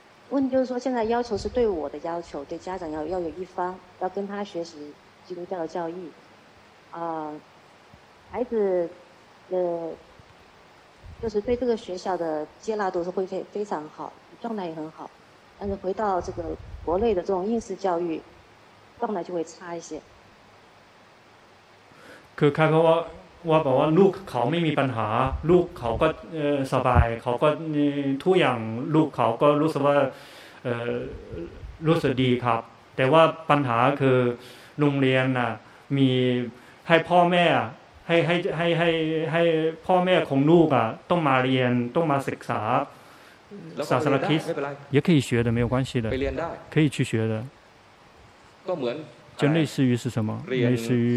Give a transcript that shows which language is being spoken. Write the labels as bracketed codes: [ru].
[zh] 问题就是说现在要求是对我的要求，对家长要有一方要跟他学习基督教的教义，孩子的就是对这个学校的接纳度是会非常好，状态也很好，但是回到这个国内的这种应试教育状态就会差一些。 [th] คือเขาว่าบอกว่าลูกเขาไม่มีปัญหาลูกเขาก็สบายเขาก็ทุกอย่างลูกเขาก็รู้สึกว่ารู้สึกดีครับแต่ว่าปัญหาคือโรงเรียนน่ะมีให้พ่อแม่ให้พ่อแม่ของลูกอ่ะต้องมาเรียนต้องมาศึกษาศาสนาคริสต์ [zh] 也可以学的没有关系的可以去学的 [th] ก็เหมือน [zh] 就类似于是什么类似于